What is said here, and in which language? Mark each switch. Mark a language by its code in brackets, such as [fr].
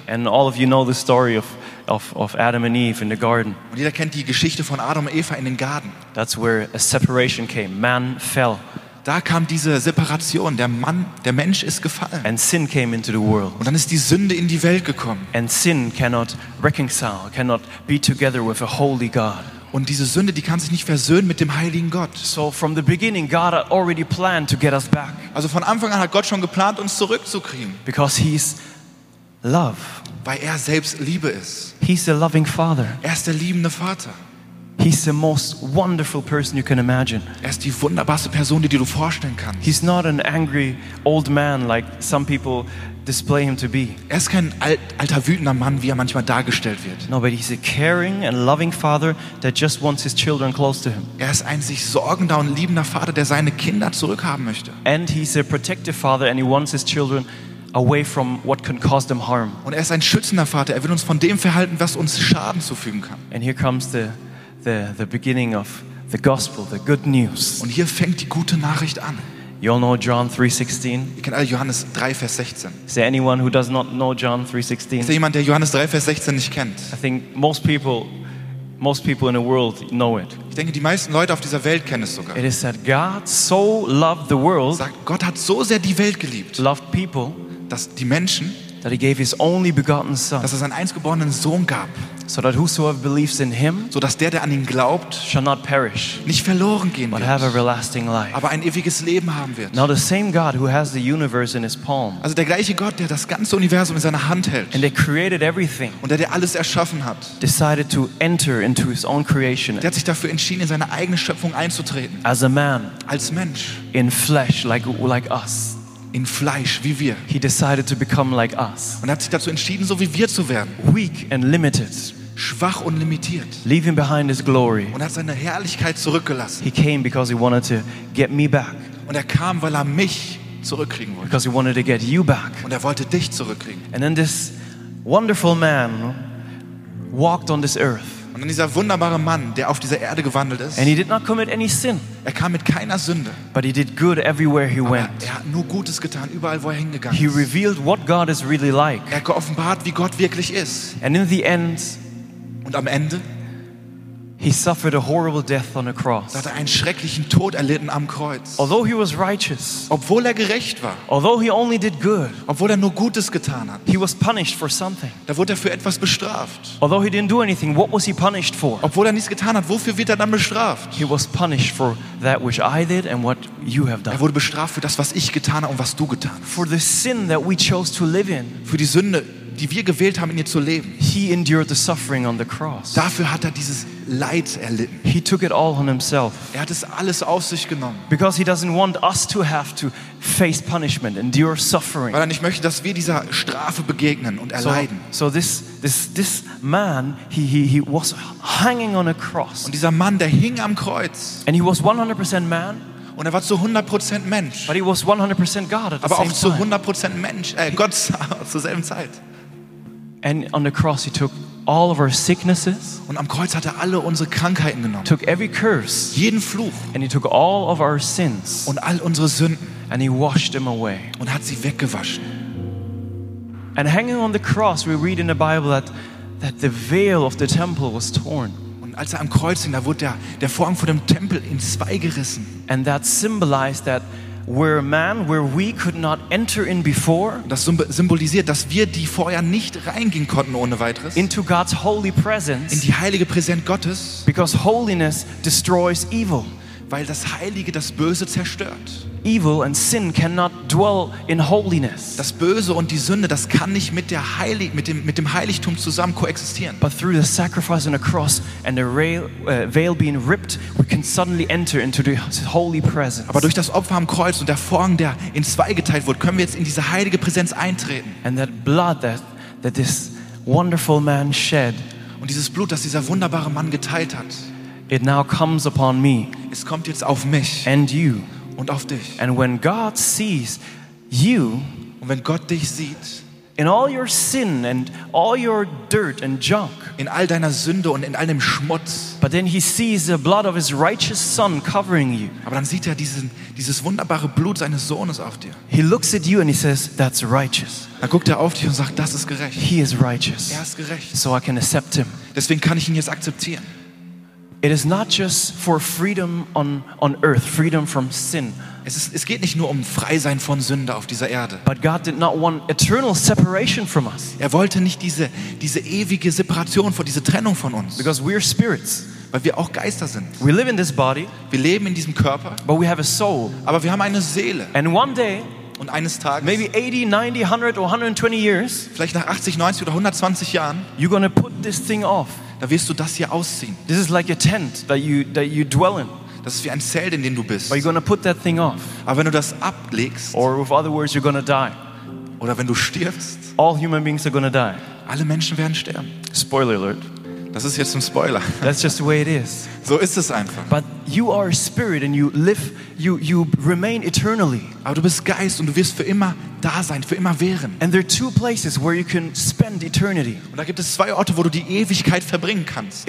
[en] And all of you know the story of Adam and Eve in the garden. [de] Und jeder kennt die Geschichte von Adam und Eva in den Garten. [en] That's where a separation came. Man fell. [de] Da kam diese Separation, der Mensch ist gefallen. [en] And sin came into the world. [de] Und dann ist die Sünde in die Welt gekommen. [en] And sin cannot reconcile, cannot be together with a holy God. [de] Und diese Sünde, die kann sich nicht versöhnen mit dem heiligen Gott. [en] So from the beginning God had already planned to get us back. [de] Also von Anfang an hat Gott schon geplant, uns zurückzukriegen. [en] Because he's love. [de] Weil er selbst Liebe ist. [en] He's the loving father. [de] Er ist der liebende Vater. [en] He's the most wonderful person you can imagine. [de] Er ist die wunderbarste Person, die du dir vorstellen kannst. [en] He's not an angry old man like some people display him to be. [de] Er ist kein alter wütender Mann, wie er manchmal dargestellt wird. [en] No, but he's a caring and loving father that just wants his children close to him. [de] Er ist ein sich sorgender und liebender Vater, der seine Kinder zurückhaben möchte. [en] And he's a protective father and he wants his children away from what can cause them harm. [de] Und er ist ein schützender Vater, er will uns von dem verhalten, was uns Schaden zufügen kann. [en] And here comes the beginning of the gospel, the good news. [de] Und hier fängt die gute Nachricht an. [en] You all know John 3:16. [de] Ihr kennt alle Johannes 3, Vers 16. [en] Is there anyone who does not know John 3:16? [de] Ist da jemand, der Johannes 3, Vers 16 nicht kennt? [en] I think most people in the world know it. [de] Ich denke, die meisten Leute auf dieser Welt kennen es sogar. [en] It is that God so loved the world. [de] Sagt, Gott hat so sehr die Welt geliebt. [en] Loved people. [de] Dass die Menschen. [en] That he gave his only begotten son. [de] Dass er seinen einzgeborenen Sohn gab. [en] So that whosoever believes in him, [de] so dass der an ihn glaubt, [en] shall not perish, [de] nicht verloren gehen [en] but [de] wird, [en] have everlasting life. [de] Aber ein ewiges Leben haben wird. [en] Now the same God who has the universe in his palm, [de] also der gleiche Gott, der das ganze Universum in seiner Hand hält, [en] and they created everything, [de] und der alles erschaffen hat, [en] decided to enter into his own creation. [de] Der hat sich dafür entschieden, in seine eigene Schöpfung einzutreten. [en] As a man, [de] als Mensch, [en] in flesh, like us. [de] In Fleisch, wie wir. [en] He decided to become like us. [de] Und hat sich dazu entschieden, so wie wir zu werden. [en] Weak and limited. [de] Schwach und limitiert. [en] Leaving behind his glory. [de] Und hat seine Herrlichkeit zurückgelassen. [en] He came because he wanted to get me back. [de] Und kam, weil mich zurückkriegen wollte. [en] Because he wanted to get you back. [de] Und wollte dich zurückkriegen. [en] And then this wonderful man walked on this earth. [de] Und dieser wunderbare Mann, der auf dieser Erde gewandelt ist. [en] And he did not commit any sin. [de] Er kam mit keiner Sünde. [en] But he did good everywhere he [de] Aber [en] went. [de] Er hat nur Gutes getan, überall wo er hingegangen [en] he He revealed what God is really like. [de] Er geoffenbart, wie Gott wirklich ist. [en] And in the end, [de] und am Ende, [en] he suffered a horrible death on a cross. [de] Da hat einen schrecklichen Tod erlitten am Kreuz. [en] Although he was righteous, [de] obwohl gerecht war. [en] Although he only did good, [de] obwohl nur Gutes getan hat. [en] He was punished for something. [de] Da wurde für etwas bestraft. [en] Although he didn't do anything, what was he punished for? [de] Obwohl nichts getan hat, wofür wird dann bestraft? [en] He was punished for that which I did and what you have done. [de] Wurde bestraft für das, was ich getan habe und was du getan hast. [en] For the sin that we chose to live in. [de] Für die Sünde, die wir gewählt haben, in ihr zu leben. [en] He endured the suffering on the cross. [de] Dafür hat dieses Leid erlitten. [en] He took it all on himself. [de] Hat es alles auf sich genommen. [en] Because he doesn't want us to have to face punishment, endure suffering. [de] Weil nicht möchte, dass wir dieser Strafe begegnen und erleiden. [en] So this man, he was hanging on a cross. [de] Und dieser Mann, der hing am Kreuz. [en] And he was 100% man. [de] Und war zu 100% Mensch. [en] But he was 100% God at the [de] Aber [en] same [de] auch zu 100% Mensch, Gott zur selben Zeit. [en] And on the cross he took all of our sicknesses. [de] Und am Kreuz hat alle unsere Krankheiten genommen. [en] Took every curse. [de] Jeden Fluch. [en] And he took all of our sins. [de] Und all unsere Sünden. [en] And he washed them away. [de] Und hat sie weggewaschen. [en] And hanging on the cross we read in the Bible that the veil of the temple was torn. [de] Und als am Kreuz hing, da wurde der Vorhang vor dem Tempel in zwei gerissen. [en] And that symbolized that where man, where we could not enter in before, [de] das symbolisiert, dass wir, die vorher nicht reingehen konnten ohne weiteres, [en] into God's holy presence, [de] in die heilige Präsenz Gottes, [en] because holiness destroys evil, [de] weil das Heilige das Böse zerstört. [en] Evil and sin cannot dwell in holiness. [de] Das Böse und die Sünde, das kann nicht mit dem Heiligtum zusammen koexistieren. [en] But through the sacrifice on the cross and the veil being ripped, we can suddenly enter into the holy presence. [de] Aber durch das Opfer am Kreuz und der Vorhang, der in zwei geteilt wurde, können wir jetzt in diese heilige Präsenz eintreten. [en] And that blood that this wonderful man shed. [de] Und dieses Blut, das dieser wunderbare Mann geteilt hat. [en] It now comes upon me. [de] Es kommt jetzt auf mich. [en] And you. [de] Und auf dich. [en] And when God sees you, [de] und wenn Gott dich sieht, [en] in all your sin and all your dirt and junk, [de] in all deiner Sünde und in all dem Schmutz, [en] but then he sees the blood of his righteous son covering you. [de] Aber dann sieht dieses wunderbare Blut seines Sohnes auf dir. [en] He looks at you and he says, "That's righteous." [de] Dann guckt auf dich und sagt, das ist gerecht. [en] He is righteous. [de] Ist gerecht. [en] So I can accept him. [de] Deswegen kann ich ihn jetzt akzeptieren. [en] It is not just for freedom on earth, freedom from sin. [de] Es geht nicht nur frei sein von Sünde auf dieser Erde. [en] But God did not want eternal separation from us. [de] Wollte nicht diese ewige Separation vor diese Trennung von uns. [en] Because we are spirits, [de] weil wir auch Geister sind. [en] We live in this body, [de] wir leben in diesem Körper. [en] But we have a soul, [de] aber wir haben eine Seele. [en] And one day, [de] und eines Tages, [en] maybe 80, 90, 100 or 120 years, [de] vielleicht nach 80, 90 oder 120 Jahren, [en] you're gonna put this thing off. [de] Da wirst du das hier ausziehen. [en] This is like a tent that you dwell in. [de] Das ist wie ein Zelt, in dem du bist. [en] But you're gonna put that thing off. [de] Aber wenn du das ablegst, [en] or with other words, you're gonna die. [de] oder wenn du stirbst, [en] all human beings are gonna die. [de] Alle Menschen werden sterben. [en] Spoiler alert. [de] Das ist jetzt ein Spoiler. [en] That's just the way it is. [de] So ist es einfach. [en] But you are a spirit and you live, you remain eternally. [de] Aber du bist Geist und du wirst für immer da sein, für immer wären. [en] And there are two places where you can spend eternity. [de] Und da gibt es zwei Orte, wo du die Ewigkeit verbringen kannst.